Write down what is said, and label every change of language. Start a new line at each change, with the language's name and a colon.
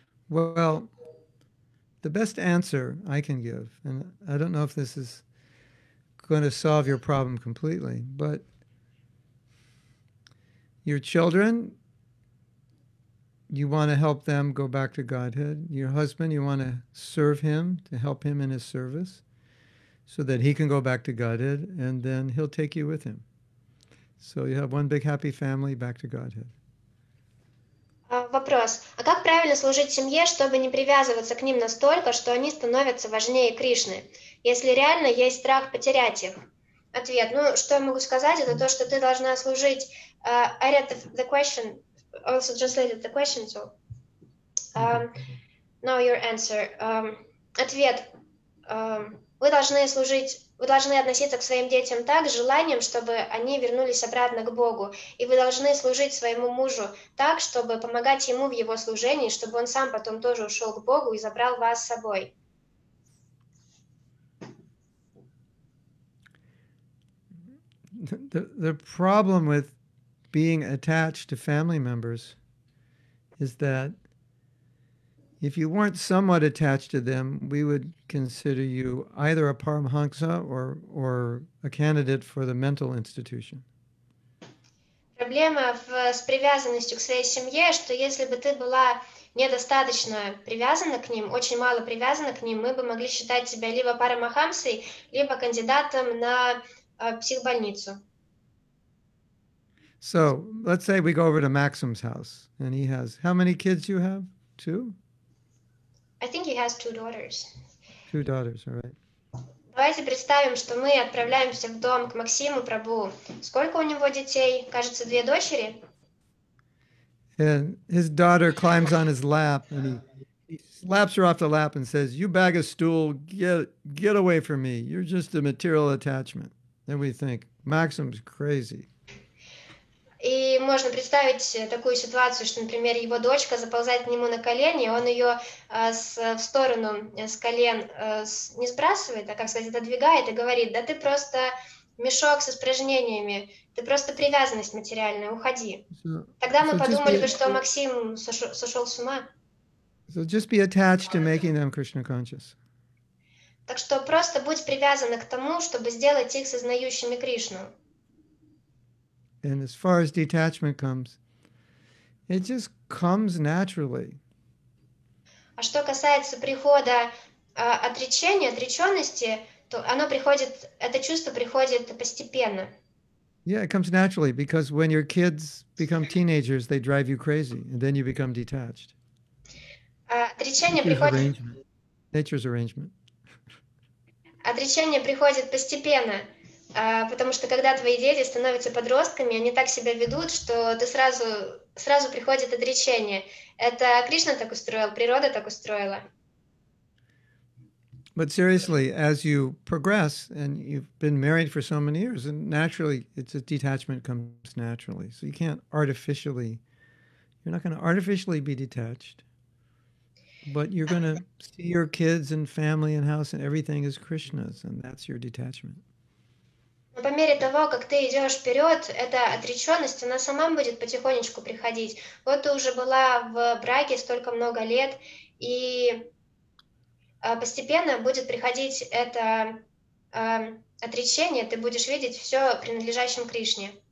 English: Well, the best answer I can give, and I don't know if this is going to solve your problem completely, but your children, you want to help them go back to Godhead. Your husband, you want to serve him, to help him in his service, so that he can go back to Godhead, and then he'll take you with him. So you have one big happy family back to Godhead.
Russian: Вопрос. А как правильно служить семье, чтобы не привязываться к ним настолько, что они становятся важнее Кришны, если реально есть страх потерять их? Ответ. Ну, что я могу сказать, это то, что ты должна служить...
English: I read the question, also translated the question, so... Now your answer.
Russian: Ответ. Вы должны относиться к своим детям так, с желанием, чтобы они вернулись обратно к Богу. И вы должны служить своему мужу так, чтобы помогать ему в его служении, чтобы он сам потом тоже ушел к Богу и забрал вас с собой.
English: The problem with being attached to family members is that if you weren't somewhat attached to them, we would consider you either a paramahansa or a candidate for the mental institution.
Russian: Проблема с привязанностью к своей семье, что если бы ты была недостаточно привязана к ним, очень мало привязана к ним, мы бы могли считать тебя либо парамахамсой, либо кандидатом на психбольницу.
English: So, let's say we go over to Maxim's house, and he has, how many kids you have? Two? I think he has two daughters. Two daughters, all right.
Russian: Давайте представим, что мы отправляемся в дом к Максиму Прабу. Сколько у него детей? Кажется, две дочери.
English: And his daughter climbs on his lap, and he slaps her off the lap and says, "You bag of stool, get away from me. You're just a material attachment." Then we think, Maxim's crazy.
Russian: И можно представить такую ситуацию, что, например, его дочка заползает к нему на колени, он ее в сторону с колен не сбрасывает, а, как сказать, отодвигает и говорит, да ты просто мешок с испражнениями, ты просто привязанность материальная, уходи. Тогда мы подумали бы, что Максим сошел с ума.
English: So just be attached to making them Krishna conscious.
Russian: Так что просто будь привязана к тому, чтобы сделать их сознающими Кришну.
English: And as far as detachment comes, it just comes naturally.
Russian: А что касается прихода отречения, отреченности, то оно приходит, это чувство приходит постепенно.
English: Yeah, it comes naturally because when your kids become teenagers, they drive you crazy, and then you become detached.
Russian: Отречение приходит.
English: Nature's arrangement.
Russian: Отречение приходит постепенно, потому что когда твои дети становятся подростками, они так себя ведут, что ты сразу приходит отречение. Это Кришна так устроил, природа так устроила.
English: But seriously, as you progress and you've been married for so many years, and naturally it's a detachment comes naturally. So you can't artificially, you're not going to artificially be detached, but you're going to see your kids and family and house and everything is Krishna's, and that's your detachment.
Russian: По мере того, как ты идешь вперед, эта отреченность, она сама будет потихонечку приходить. Вот ты уже была в браке столько много лет, и постепенно будет приходить это отречение, ты будешь видеть все принадлежащим Кришне.